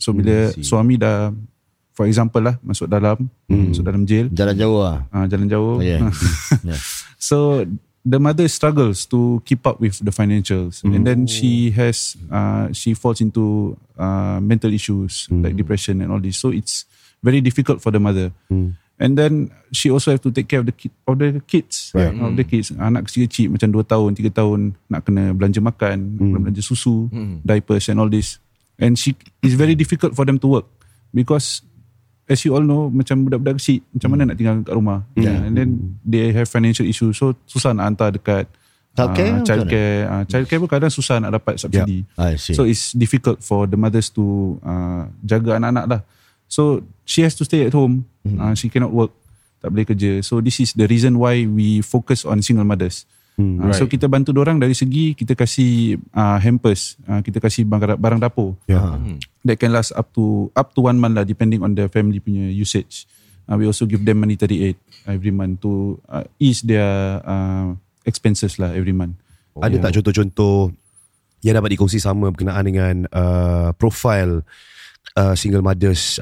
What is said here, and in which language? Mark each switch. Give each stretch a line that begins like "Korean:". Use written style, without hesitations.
Malay: So bila suami dah,
English: for example
Malay: lah, masuk dalam masuk dalam jail, jalan jauh lah, jalan jauh.
English: So the mother struggles to keep up with the financials, and then she has she falls into mental issues like depression and all this. So it's very difficult for the mother, and then she also have to take care of the kids, of the kids.
Malay: Anak kecil-kecil macam 2 tahun 3 tahun nak kena belanja makan, belanja susu,
English: diapers and all this, and she is very difficult for them to work because as you all know,
Malay: macam budak-budak kecil, macam mana nak tinggal kat rumah.
English: And then they have financial issues,
Malay: so susah nak hantar dekat childcare pun kadang susah nak dapat subsidi.
English: So it's difficult for the mothers to
Malay: jaga anak-anak
English: lah. So she has to stay at home. She cannot work,
Malay: tak boleh kerja.
English: So this is the reason why we focus on single mothers.
Malay: So kita bantu dorang dari segi kita kasi hampers, kita kasi barang dapur.
English: That can last up to 1 month lah, depending on the family punya usage. We also give them monetary aid every month to ease their expenses lah every month.
Malay: Ada tak contoh-contoh yang dapat dikongsi sama berkenaan dengan profile single mothers?